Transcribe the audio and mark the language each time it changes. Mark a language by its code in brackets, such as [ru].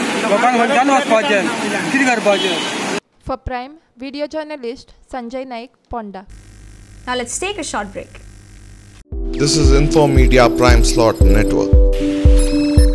[gom] लोकांक खंयच्यान वचपाचें कितें करपाचें. [en] For prime video journalist Sanjay Naik Ponda. Now let's take a short break. This is InfoMedia Prime Slot Network.